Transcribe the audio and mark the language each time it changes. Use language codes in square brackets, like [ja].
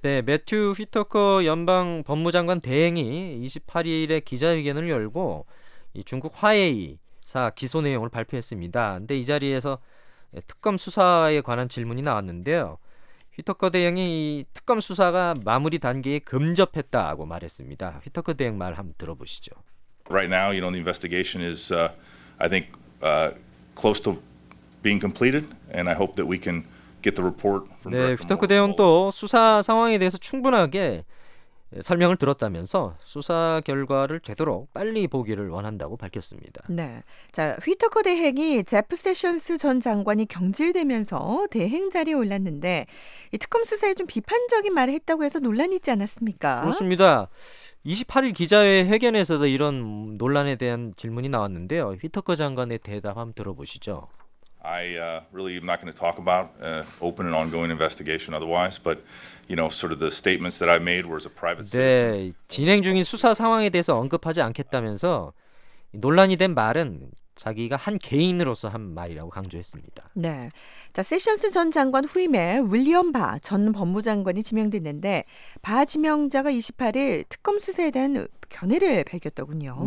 [ko] 네, 매튜 휘터커 연방 법무장관 대행이 28일에 기자회견을 열고 이 중국 화웨이사 기소 내용을 발표했습니다. 그런데 이 자리에서 특검 수사에 관한 질문이 나왔는데요. 휘터커 대행이 특검 수사가 마무리 단계에 근접했다고 말했습니다. 휘터커 대행 말 한번 들어보시죠. [en] Right now, you know, the investigation is, I think, close to being completed, and I hope that we can get the report. [ko] 네, 휘터커 대행 또 수사 상황에 대해서 충분하게 설명을 들었다면서 수사 결과를 되도록 빨리 보기를 원한다고 밝혔습니다. 네. 자, 휘터커 대행이 제프 세션스 전 장관이 경질되면서 대행 자리에 올랐는데 이 특검 수사에 좀 비판적인 말을 했다고 해서 논란이 있지 않았습니까? 그렇습니다. 28일 기자회견에서도 이런 논란에 대한 질문이 나왔는데요. 휘터커 장관의 대답 한번 들어보시죠. [en] I really am not going to talk about open and ongoing investigation otherwise, but you know, sort of the statements that I made were as a private citizen. [ko] 네, 진행 중인 수사 상황에 대해서 언급하지 않겠다면서 논란이 된 말은 자기가 한 개인으로서 한 말이라고 강조했습니다. 네, 자, 세션스 전 장관 후임에 윌리엄 바 전 법무장관이 지명됐는데 바 지명자가 28일 특검 수사에 대한 견해를 밝혔더군요.